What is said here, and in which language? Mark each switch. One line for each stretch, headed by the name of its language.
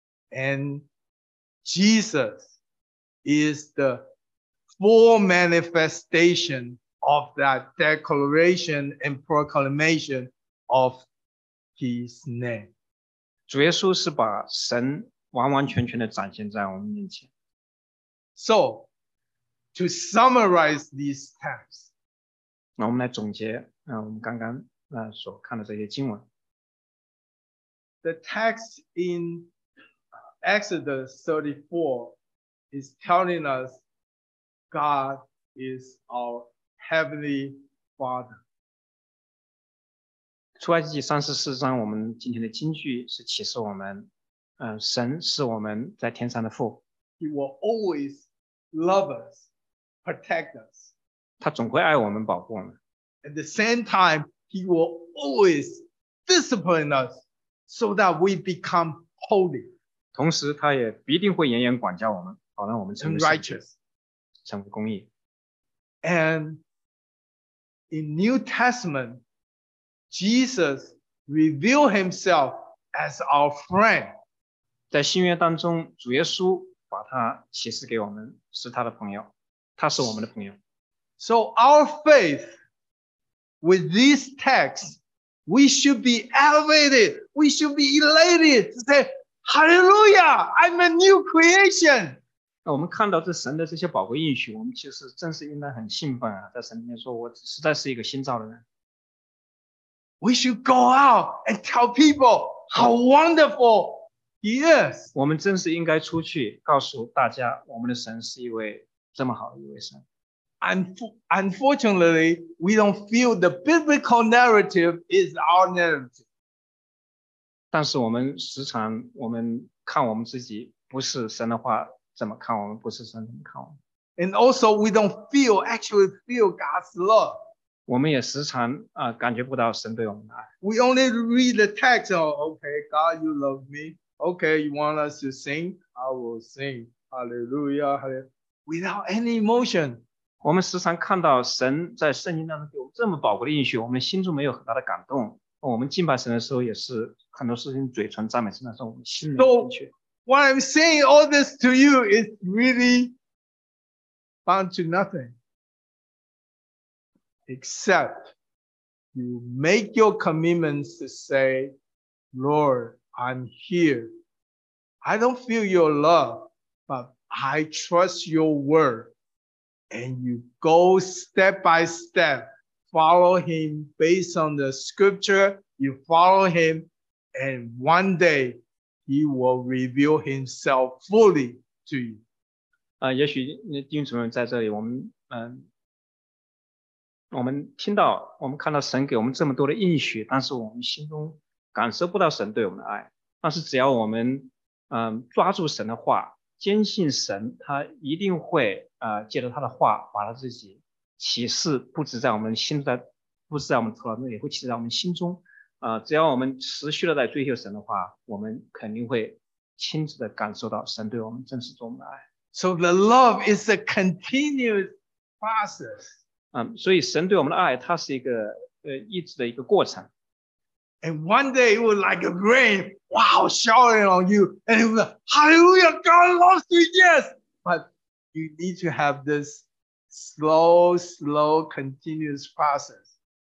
English: And Jesus is the full manifestation of that declaration and proclamation of His name.
Chinese: 主耶稣是把神完完全全的展现在我们面前。
English: So,to summarize these texts.
Chinese: 那我们来总结我们刚刚所看的这些经文。
English: The text in Exodus 34 is telling us God is our Heavenly Father.
Chinese: 出埃及记34章我们今天的经句是启示我们神是我们在天上的父。
English: He will always love us. Protect us.
Chinese: 他总会爱我们，保护我们。
English: At the same time, he will always discipline us so that we become holy.
Chinese: 同时他也必定会严严管教我们，好让我们成为圣洁。
English: Righteous.
Chinese: 成为公义。
English: And in New Testament, Jesus revealed himself as our friend.
Chinese: 在新约当中，主耶稣把他启示给我们，是他的朋友。他是我们的朋友。
English: So our faith with these texts, we should be elevated, we should be elated to say, Hallelujah, I'm a new creation.
Chinese: 我们看到这神的这些宝贵应许，我们其实真是应该很兴奋啊，在神里面说我实在是一个新造的人。
English: We should go out and tell people how wonderful he is.
Chinese: 我们真是应该出去告诉大家我们的神是一位这么好的一位神。
English: Unfortunately, we don't feel the biblical narrative is our narrative.
Chinese: 但是我们时常我们看我们自己不是神的话怎么看我们，不是神怎么看我们。
English: And also, we don't feel actually feel God's love.
Chinese: 我们也时常感觉不到神对我们的爱。
English: We only read the text. Oh, okay, God, you love me. Okay, you want us to sing? I will sing. Hallelujah, hallelujah. Without any emotion.
Chinese: 我们时常看到神在圣经当中给我们这么宝贵的应许，我们心中没有很大的感动。我们敬拜神的时候也是很多事情嘴唇赞美神，但是我们心里没有感觉。
English: So, what I'm saying all this to you is really bound to nothing. Except you make your commitments to say, Lord, I'm here. I don't feel your love, butI trust your word, and you go step by step, follow him based on the scripture, you follow him, And one day, he will reveal himself fully to you.
Chinese: 也许弟兄姊妹在这里，我们听到，我们看到神给我们这么多的应许，但是我们心中感受不到神对我们的爱。但是只要我们抓住神的话，坚信神，他一定会借着他的话，把他自己启示布置在我们心中，布置在我们头脑中，也会启示在我们心中。只要我们持续的在追求神的话，我们肯定会亲自的感受到神对我们真实多么的爱。
English: So the love is a continuous process.
Chinese: 所以神对我们的爱，它是一个一直的一个过程。
English: And one day it was like a rain, wow, showering on you. And it was like, hallelujah, God loves you, yes. But you need to have this slow, slow, continuous process.